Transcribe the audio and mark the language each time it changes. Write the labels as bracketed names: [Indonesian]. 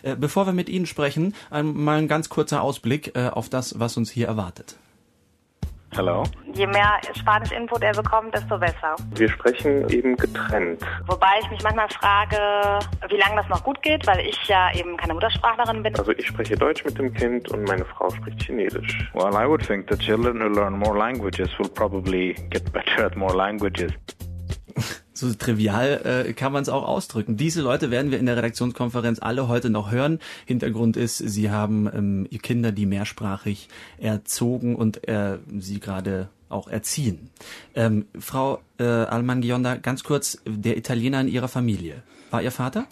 [German] Bevor wir mit Ihnen sprechen, mal ein ganz kurzer Ausblick auf das, was uns hier erwartet. Hallo. Je mehr Spanisch-Input er bekommt, desto besser. Wir sprechen eben getrennt. Wobei ich mich manchmal frage, wie lange das noch gut geht, weil ich ja eben keine Muttersprachlerin bin. Also ich spreche Deutsch mit dem Kind und meine Frau spricht Chinesisch. [English] Well, I would think the children who learn more languages will probably get better at more languages. [German] So trivial kann man es auch ausdrücken. Diese Leute werden wir in der Redaktionskonferenz alle heute noch hören. Hintergrund ist, sie haben Kinder, die mehrsprachig erzogen und sie gerade auch erziehen. Frau Alman-Gionda, ganz kurz, der Italiener in Ihrer Familie, war Ihr Vater?